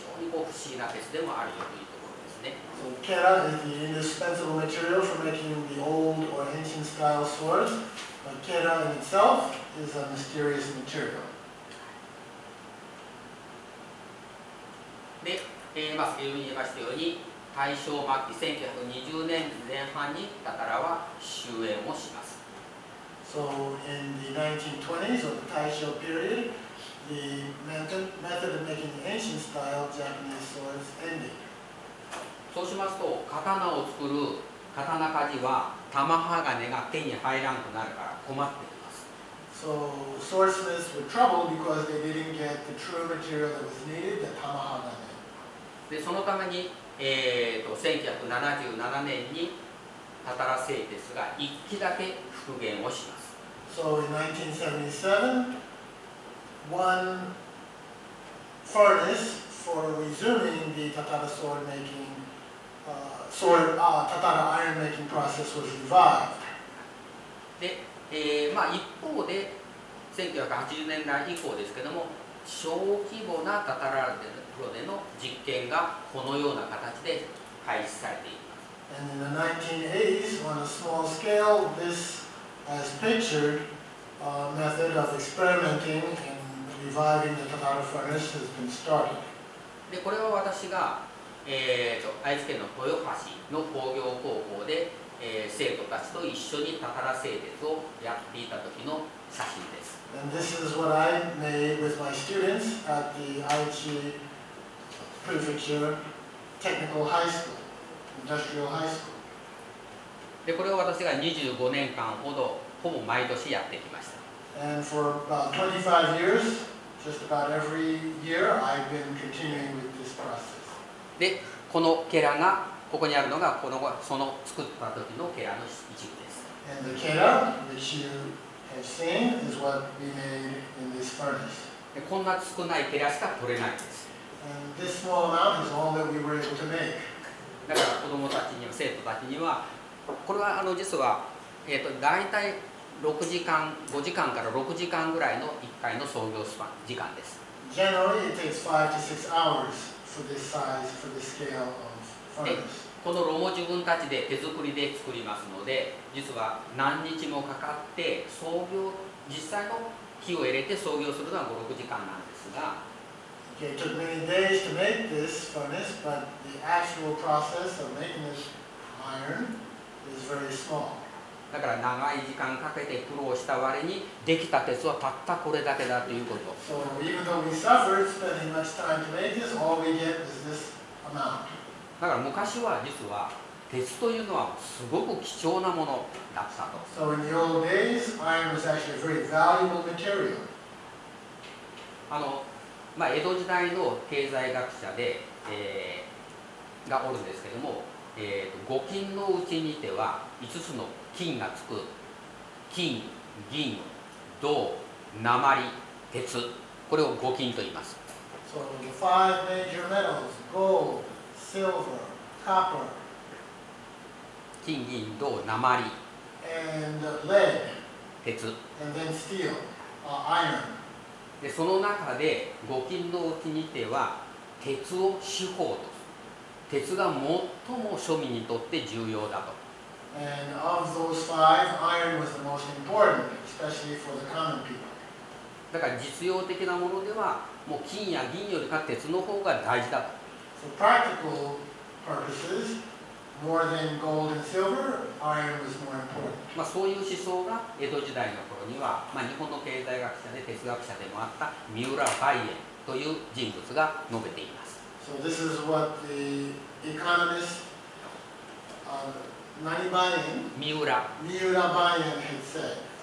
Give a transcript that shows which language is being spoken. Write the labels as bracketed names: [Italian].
[Japanese] さ、先に戻りますが、なぜケラかということですけども、まさに鉄原料としては、いい刀を作るためにはこのケラしかないよというようなこと。しかし、ケラというのは、今お話ししましたように、非常に不思議な鉄でもあるよというところですね。So [English] ケラ is the indispensable material for making the old or ancient style swords, but ケラ in itself is a mysterious material. [Japanese] で、先ほど言いましたように、大正末期1920年前半に、たたらは終焉をします。 [English] So in the 1920s, or the Taisho period, the method of making ancient style Japanese swords ending. [Japanese] そうしますと、刀を作る刀鍛冶は玉鋼が手に入らなくなるから困っています。 [English] So, swordsmiths were troubled because they didn't get the true material that was needed, the 玉鋼。 [Japanese] で、そのために、1977年にタタラ製鉄が一機だけ復元をします。 [English] So, in 1977, one furnace for resuming the Tatara sword makingTatara iron making process was revived. [Japanese] で、まあ一方で1980年代以降ですけども、小規模なタタラプロでの実験がこのような形で開始されています。 [English] And in the 1980s, on a small scale, this as pictured, method of experimenting and reviving the Tatara furnace has been started. [Japanese] で、これは私が愛知県の豊橋の工業高校で、生徒たちと一緒にタタラ製鉄をやっていた時の写真です。 [English] And this is what I made with my students at the Aichi Prefecture Technical High School, Industrial High School. [Japanese] で、これを私が25年間ほどほぼ毎年やってきました。 [English] And for about 25 years, just about every year, I've been continuing with this process. [Japanese] で、このケラが、ここにあるのが、この、その作った時のケラの一部です。 [English] And the ケラ which you have seen is what we made in this furnace. [Japanese] で、こんな少ないケラしか取れないです。 [English] And this small amount is all that we were able to make. [Japanese] だから子供たちには、生徒たちには、これは実は、大体6時間、5時間から6時間ぐらいの1回の操業スパン、時間です。 [English] Generally, it takes 5 to 6 hours. For this size, for this scale of furnace. [Japanese] で、この炉も自分たちで手作りで作りますので、実は何日もかかって操業、実際の火を入れて操業するのは5、6時間なんですが。 [English] Okay, it took many days to make this furnace, but the actual process of making this iron is very small. [Japanese] だから長い時間かけて苦労した割に、できた鉄はたったこれだけだということ。 [English] So even though we suffered spending much time to make this, all we get is this amount. [Japanese] だから昔は実は鉄というのはすごく貴重なものだったと。 [English] So in the old days, iron was actually a very valuable material. [Japanese] まあ江戸時代の経済学者で、がおるんですけども、五金のうちにては五つの金がつく金、銀、銅、鉛、鉄、これを五金と言います。 [English] So the five major metals, gold, silver, copper, [Japanese] 金、銀、銅、鉛、 [English] and lead, [Japanese] 鉄、 [English] and then steel, iron. [Japanese] で、その中で五金のうちにては鉄を至宝と。鉄が最も庶民にとって重要だと。 [English] And of those five, iron was the most important, especially for the common people. [Japanese] だから実用的なものでは、もう金や銀よりか鉄の方が大事だと。 [English] For practical purposes, more than gold and silver, iron was more important. [Japanese] まあそういう思想が江戸時代の頃には、まあ日本の経済学者で哲学者でもあった三浦梅園という人物が述べています。 [English] So this is what the economist, Nanibaien, Miura. Miura Baien had said.